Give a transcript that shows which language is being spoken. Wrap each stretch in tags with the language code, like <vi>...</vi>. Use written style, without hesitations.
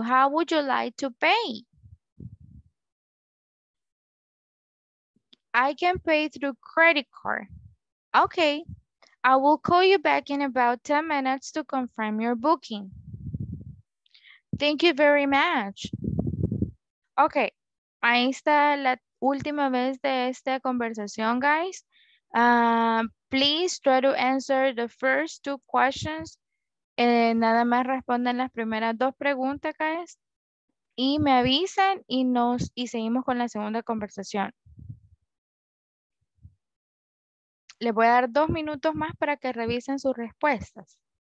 <en>How would you like to pay? I can pay through credit card. Okay, I will call you back in about 10 minutes to confirm your booking. Thank you very much.</en> <es>Okay, ahí está la última vez de esta conversación, guys.</es> <en>Please try to answer the first two questions.</en> <es>Nada más respondan las primeras dos preguntas, guys. Y me avisan y nos y seguimos con la segunda conversación. Les voy a dar dos minutos más para que revisen sus respuestas.</es>